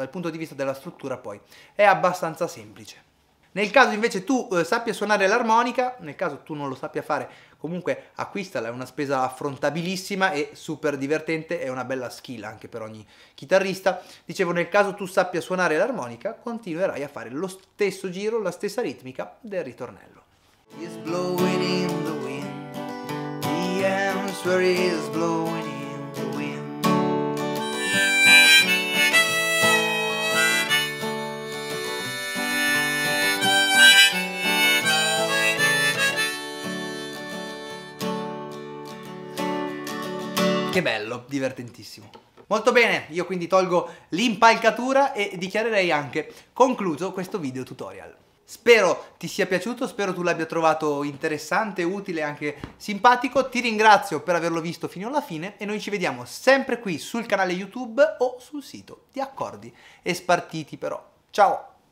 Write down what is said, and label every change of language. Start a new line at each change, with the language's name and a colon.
Italian: Dal punto di vista della struttura poi è abbastanza semplice. Nel caso invece tu sappia suonare l'armonica, nel caso tu non lo sappia fare, comunque acquistala, è una spesa affrontabilissima e super divertente, è una bella skill anche per ogni chitarrista. Dicevo, nel caso tu sappia suonare l'armonica, continuerai a fare lo stesso giro, la stessa ritmica del ritornello.
English: is blowing in the wind. The answer is blowing in the wind.
Italian: Che bello, divertentissimo. Molto bene, io quindi tolgo l'impalcatura e dichiarerei anche concluso questo video tutorial. Spero ti sia piaciuto, spero tu l'abbia trovato interessante, utile e anche simpatico. Ti ringrazio per averlo visto fino alla fine e noi ci vediamo sempre qui sul canale YouTube o sul sito di Accordi e Spartiti però. Ciao!